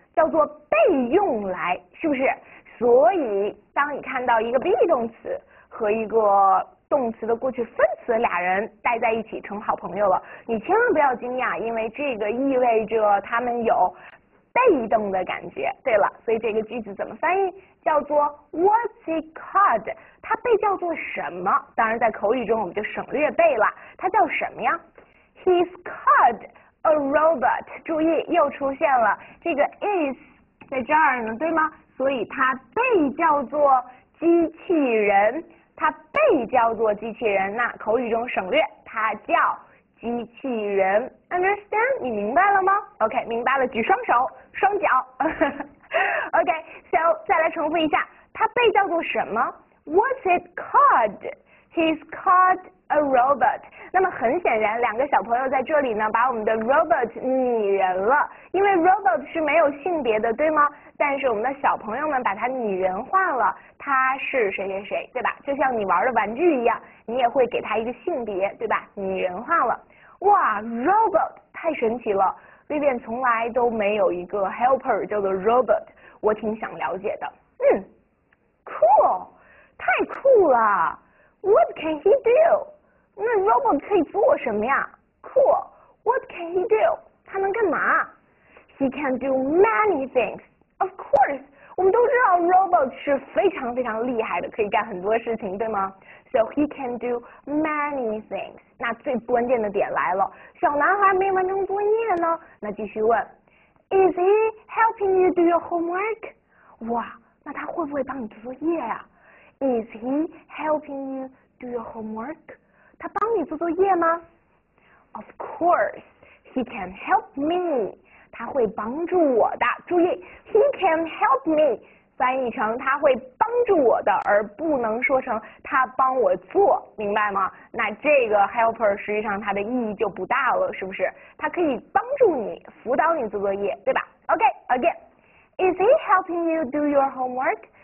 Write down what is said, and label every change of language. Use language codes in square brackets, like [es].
[zh] 叫做被用来，是不是？所以，当你看到一个 be 动词和一个动词的过去分词，俩人待在一起成好朋友了，你千万不要惊讶，因为这个意味着他们有被动的感觉。对了，所以这个句子怎么翻译？叫做 [en] What's it called？ [zh] 它被叫做什么？当然，在口语中我们就省略被了，它叫什么呀？ [en] He's called a robot。 [zh] 注意，又出现了这个 is 在这儿呢，对吗？所以它被叫做机器人。它被叫做机器人，那口语中省略，它叫机器人。 [en] Understand？ [zh] 你明白了吗？ [en] OK， [zh] 明白了，举双手、双脚。 [en] OK，so [zh] 再来重复一下，它被叫做什么？ [en] What's it called？He's called a robot。 [zh] 那么很显然，两个小朋友在这里呢，把我们的 robot 拟人了，因为 robot 是没有性别的，对吗？但是我们的小朋友们把它拟人化了，他是谁谁谁，对吧？就像你玩的玩具一样，你也会给他一个性别，对吧？拟人化了，哇，robot 太神奇了！Vivian 从来都没有一个 helper 叫做 robot，我挺想了解的。 [en] Cool， [zh] 太酷了！ [en] What can he do？ [zh] 那 robot 可以做什么呀？ [en] Cool，What can he do？ [zh] 他能干嘛？ [en] He can do many things。 [zh] Of course，我们都知道 robot 是非常非常厉害的，可以干很多事情，对吗？ [en] So he can do many things。 [zh] 那最关键的点来了，小男孩没完成作业呢，那继续问， [en] Is he helping you do your homework？ [zh] 哇，那他会不会帮你做作业呀？ [en] Is he helping you do your homework？ [zh] 他帮你做作业吗？ [en] Of course，he can help me。 [zh] 他会帮助我的，注意， [en] he can help me， [zh] 翻译成他会帮助我的，而不能说成他帮我做，明白吗？那这个 helper 实际上它的意义就不大了，是不是？它可以帮助你，辅导你做作业，对吧？ [en] OK，again，is he helping you do your homework？